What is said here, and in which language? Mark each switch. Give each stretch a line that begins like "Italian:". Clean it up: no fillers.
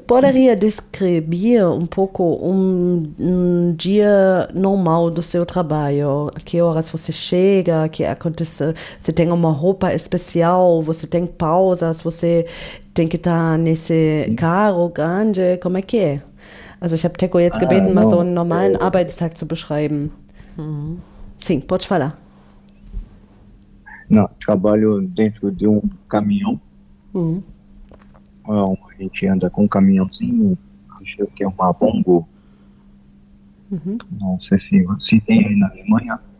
Portuguese: poderia descrever um pouco um dia normal do seu trabalho? Que horas você chega? Que acontece? Você tem uma roupa especial? Você tem pausas? Você tem que estar nesse carro grande? Como é que é?
German: Also, ich habe Teco jetzt Ah, gebeten, mal so
Portuguese: não.
German: einen normalen Arbeitstag zu beschreiben.
Portuguese: Sim, pode falar. Não, trabalho dentro de um caminhão. Uhum. A gente anda com um caminhãozinho, acho que é uma bongo. Uhum. Não sei se tem aí na Alemanha.